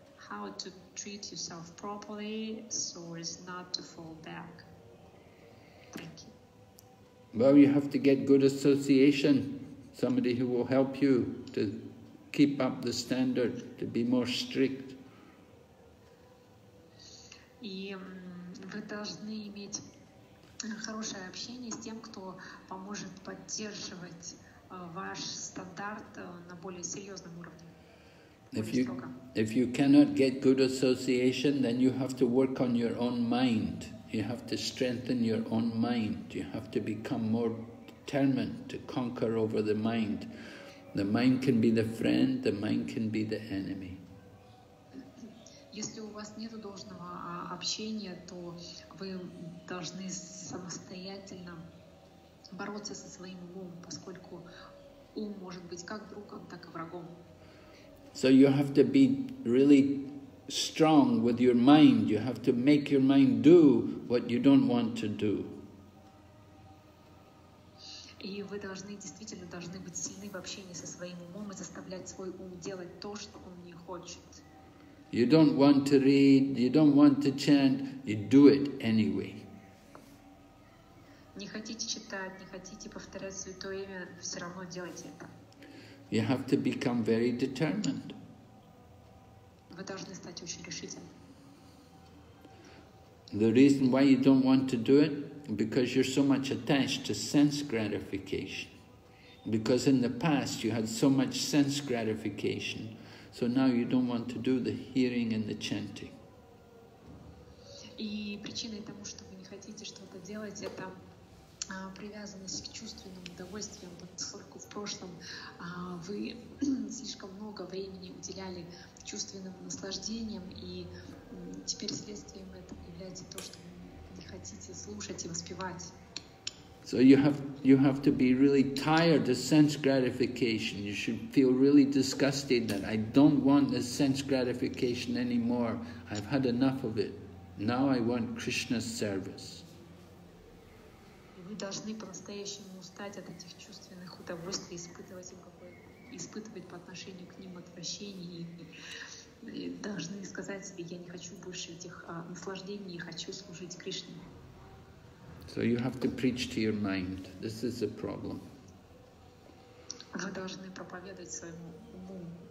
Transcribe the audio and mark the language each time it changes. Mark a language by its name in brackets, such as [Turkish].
[English] how to treat yourself properly so as not to fall back. Thank you. Well, you have to get good association, somebody who will help you to keep up the standard, to be more strict. [Russian] И вы должны иметь хорошее общение с тем, кто поможет поддерживать ваш стандарт на более серьезном уровне. [English] If you cannot get good association, then you have to work on your own mind. You have to strengthen your own mind. You have to become more determined to conquer over the mind. The mind can be the friend, the mind can be the enemy. [Russian] Если у вас нет должного общения, то вы должны самостоятельно бороться со своим умом, поскольку ум может быть как другом, так и врагом. [English] So you have to be really strong with your mind. You have to make your mind do what you don't want to do. [Russian] И вы должны действительно должны быть сильны в общении со своим умом и заставлять свой ум делать то, что он не хочет. [English] You don't want to read, you don't want to chant, you do it anyway. [Russian] Не хотите читать, не хотите повторять святое имя, все равно делайте это. [English] You have to become very determined. [Russian] Вы должны стать очень решительным. [English] The reason why you don't want to do it, because you're so much attached to sense gratification. Because in the past you had so much sense gratification, so now you don't want to do the hearing and the chanting. [Russian] И причиной тому, что вы не хотите что-то делать, это привязанность к чувственным удовольствиям, поскольку в прошлом вы слишком много времени уделяли чувственным наслаждениям, и теперь следствием этого является то, что вы не хотите слушать и воспевать. [English] So you have to be really tired of sense gratification. You should feel really disgusted that I don't want this sense gratification anymore. I've had enough of it. Now I want Krishna's service. [Russian] Должны по-настоящему устать от этих чувственных удовольствий, испытывать по отношению к ним отвращение, и должны сказать себе, я не хочу больше этих наслаждений, я хочу служить Кришне. [English] So you have to preach to your mind. This is a problem. [Russian] Вы должны проповедовать своему уму.